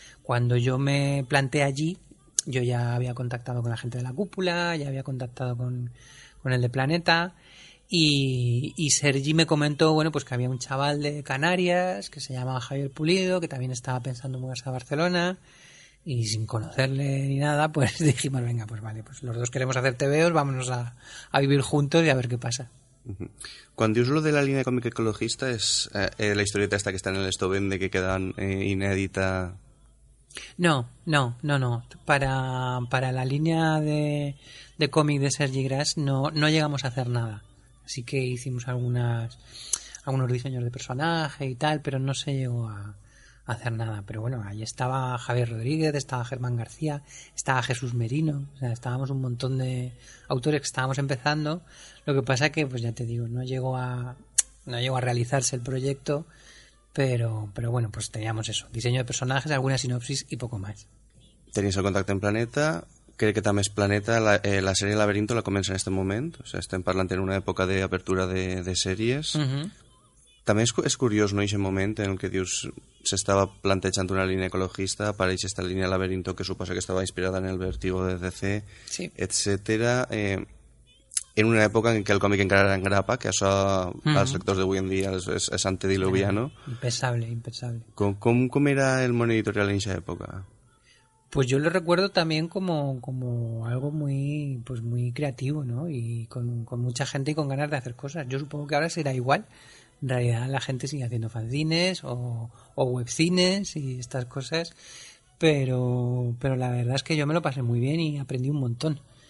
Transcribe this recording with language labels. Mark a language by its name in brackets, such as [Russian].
[Spanish] cuando yo me planté allí, yo ya había contactado con la gente de la cúpula, ya había contactado con el de Planeta, y Sergi me comentó, bueno, pues que había un chaval de Canarias que se llamaba Javier Pulido, que también estaba pensando en mudarse a Barcelona, y sin conocerle ni nada, pues dijimos, venga, pues vale, pues los dos queremos hacer TVOs, vámonos a vivir juntos y a ver qué pasa. [Catalan] Quan dius lo de la línia còmica ecologista, és la historieta esta que està en el Estovende que queda inèdita? [Spanish] No. Para la [Catalan] línia de còmic [Spanish] de Sergi Gras no llegamos a hacer nada. Así que hicimos algunos diseños de personaje y tal, pero no se llegó a hacer nada. Pero bueno, ahí estaba Javier Rodríguez, estaba Germán García, estaba Jesús Merino. O sea, estábamos un montón de autores que estábamos empezando. Lo que pasa que, pues ya te digo, no llegó a realizarse el proyecto, pero bueno, pues teníamos eso. Diseño de personajes, alguna sinopsis y poco más. ¿Tenéis el contacte en Planeta? [Catalan] Crec que també és Planeta, la sèrie Laberinto la comença en aquest moment, [Spanish] o sea, [Catalan] estem parlant en una època d'apertura de sèries. També és curiós, no?, aquest moment en què dius s'estava plantejant una línia ecologista, apareix aquesta línia Laberinto que suposa que estava inspirada en el Vertigo de DC, sí, etcètera, en una època en què el còmic encara era en grapa, que això als lectors d'avui en dia és antediluviano. Impensable. Com era el món editorial en aquesta època? [Spanish] Pues yo lo recuerdo también como algo muy, pues muy creativo, ¿no? Y con mucha gente y con ganas de hacer cosas. Yo supongo que ahora será igual. En realidad la gente sigue haciendo fanzines o webcines y estas cosas. Pero la verdad es que yo me lo pasé muy bien y aprendí un montón.